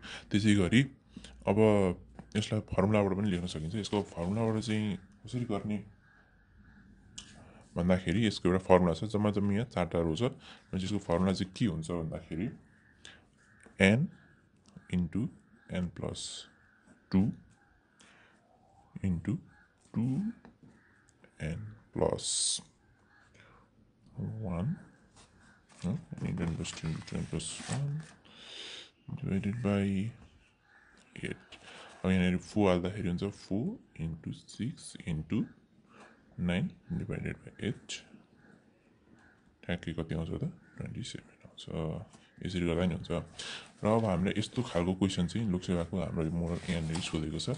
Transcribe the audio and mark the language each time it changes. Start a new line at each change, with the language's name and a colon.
Nepali: त्यसै गरी अब यसलाई फर्मुलाबाट पनि लेख्न सकिन्छ। यसको फर्मुलाबाट चाहिँ कसरी गर्ने भन्दाखेरि यसको एउटा फर्मुला छ, जम्मा जम्मी यहाँ चारवटा रो छ। यसको फर्मुला चाहिँ के हुन्छ भन्दाखेरि an into
English: n plus 2 into 2 n plus 1 into n plus 2 into 2 n plus 1 divided by 8.
Nepali: अब यहाँ फोर हाल्दाखेरि हुन्छ
English: 4 into 6 into 9 divided by 8.
Nepali: ठ्याक्कै कति आउँछ त 27 आउँछ. यसरी गर्दा नि हुन्छ. र अब हामीले यस्तो खालको क्वेसन चाहिँ लोकसेवाको हाम्रो मोडल यहाँनिर सोधेको छ.